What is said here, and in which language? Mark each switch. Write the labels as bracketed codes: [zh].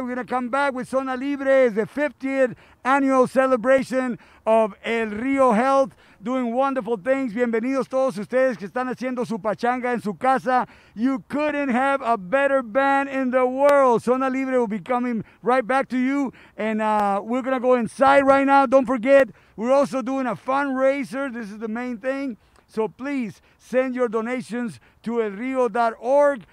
[en] We're going to come back with Zona Libre. It's the 50th annual celebration of El Rio Health, doing wonderful things. [es] Bienvenidos todos ustedes que están haciendo su pachanga en su casa. [en] You couldn't have a better band in the world. Zona Libre will be coming right back to you. And we're going to go inside right now. Don't forget, we're also doing a fundraiser. This is the main thing. So please send your donations to elrio.org.